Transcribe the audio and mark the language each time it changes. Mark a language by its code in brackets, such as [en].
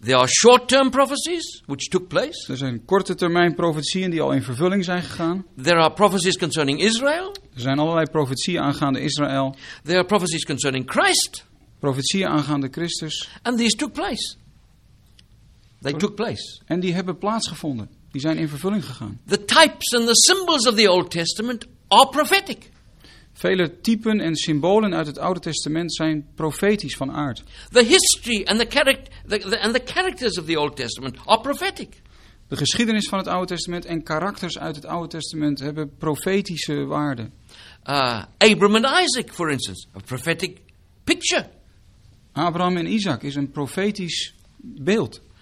[en] There are short-term prophecies which took place. [nl] Er zijn korte termijn profetieën die al in vervulling zijn gegaan. [en] There are prophecies concerning Israel. [nl] Er zijn allerlei profetieën aangaande Israël. [en] There are prophecies concerning Christ. [nl] Profetieën aangaande Christus. [en] And these took place. They took place. [nl] En die hebben plaatsgevonden. Die zijn in vervulling gegaan. [en] The types and the symbols of the Old Testament are prophetic. [nl] Vele typen en symbolen uit het Oude Testament zijn profetisch van aard. [en] The history and the characters of the Old Testament are prophetic. [nl] De geschiedenis van het Oude Testament en karakters uit het Oude Testament hebben profetische waarde. [en] Abraham and Isaac, for instance, a prophetic picture. [nl] Abraham en Isaac is een profetisch beeld.